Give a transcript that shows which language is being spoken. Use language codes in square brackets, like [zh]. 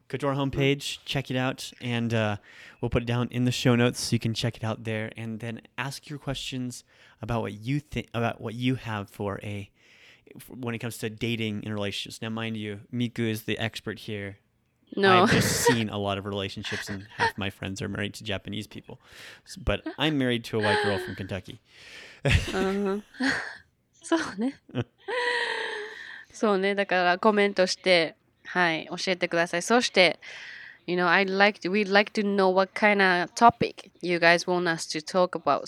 [en] Yeah. Go to our homepage, check it out, and we'll put it down in the show notes so you can check it out there, and then ask your questions about what you think, about what you have for a, when it comes to dating in relationships. Now, mind you, Miku is the expert here. No. I've just seen a lot of relationships and half my friends are married to Japanese people. But I'm married to a white girl from Kentucky. [ja] そうね。そうね。だからコメントして、はい、教えてください。そして、 [en] you know, we'd like to know what kind of topic you guys want us to talk about.